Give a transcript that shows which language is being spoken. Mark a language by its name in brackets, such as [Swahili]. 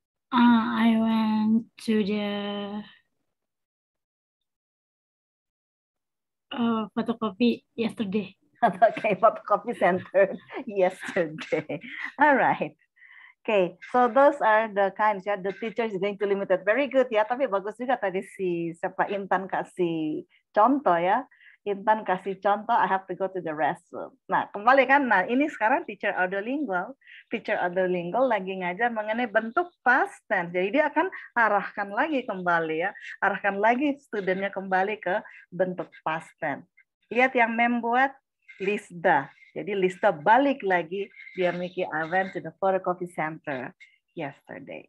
[English] I went to the photocopy yesterday. Okay, photocopy center yesterday. All right. Okay, so those are the kinds. Yeah, the teacher is going to limit it. Very good. [Indonesian] Yeah, tapi bagus juga tadi si siapa Intan kasih contoh ya. Intan kasih contoh. [English] I have to go to the restroom. [Indonesian] Nah, kembali kan. Nah, ini sekarang teacher audio lingual. Teacher audio lingual lagi ngajar mengenai bentuk past tense. Jadi dia akan arahkan lagi kembali ya. Arahkan lagi studentnya kembali ke bentuk past tense. Lihat yang mem buat. Lisda. Jadi Lisda balik lagi. Dia mikir, [English] I went to the photocopy center yesterday.